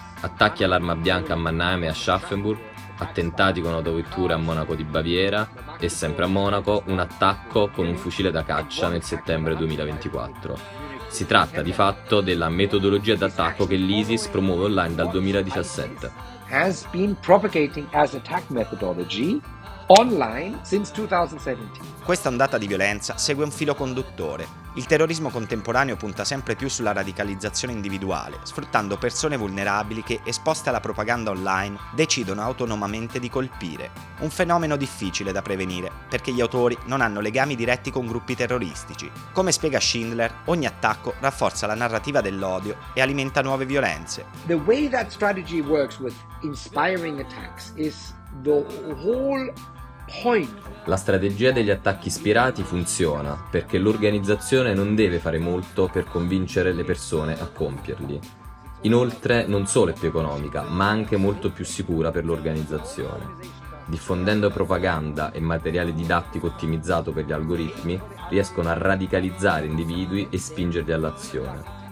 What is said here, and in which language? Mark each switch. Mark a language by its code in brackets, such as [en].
[it] Attacchi all'arma bianca a Mannheim e a Aschaffenburg, attentati con autovetture a Monaco di Baviera e, sempre a Monaco, un attacco con un fucile da caccia nel settembre 2024. Si tratta di fatto della metodologia d'attacco che l'ISIS promuove online dal 2017. [en] Has been propagating as attack methodology online since 2017. [it] Questa ondata di violenza segue un filo conduttore. Il terrorismo contemporaneo punta sempre più sulla radicalizzazione individuale, sfruttando persone vulnerabili che, esposte alla propaganda online, decidono autonomamente di colpire. Un fenomeno difficile da prevenire, perché gli autori non hanno legami diretti con gruppi terroristici. Come spiega Schindler, ogni attacco rafforza la narrativa dell'odio e alimenta nuove violenze. [en] The way that strategy works with inspiring attacks is the whole point. [it] La strategia degli attacchi ispirati funziona perché l'organizzazione non deve fare molto per convincere le persone a compierli. Inoltre, non solo è più economica, ma anche molto più sicura per l'organizzazione. Diffondendo propaganda e materiale didattico ottimizzato per gli algoritmi, riescono a radicalizzare individui e spingerli all'azione.